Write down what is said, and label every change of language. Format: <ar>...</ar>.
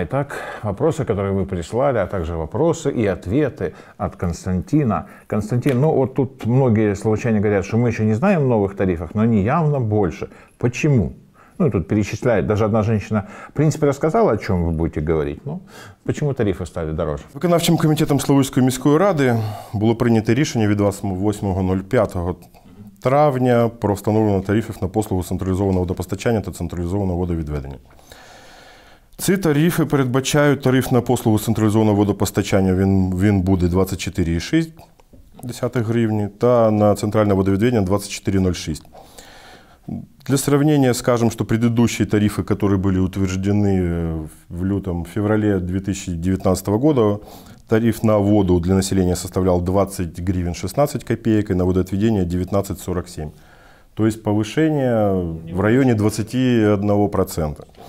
<ru>Итак, вопросы, которые вы прислали, а также вопросы и ответы от Константина. Константин, ну вот тут многие словачане говорят, что мы еще не знаем о новых тарифах, но они явно больше. Почему? Ну, тут перечисляет, даже одна женщина, в принципе, рассказала, о чем вы будете говорить. Ну, почему тарифы стали дороже?</ru> <uk>Виконавчим комітетом Славутської міської ради було прийнято рішення від 28.05 травня про встановлення тарифів на послугу централізованого водопостачання та централізованого водовідведення. Ці тарифи передбачають тариф на послугу централізованого водопостачання, він буде 24,6 гривні, та на центральне водовідведення 24,06.</uk> <ru>Для сравнения скажем, что предыдущие тарифы, которые были утверждены в лютом-феврале 2019 года, тариф на воду для населения составлял 20 гривен 16 копеек, и на водоотведение 19,47. То есть повышение в районе 21%.</ru>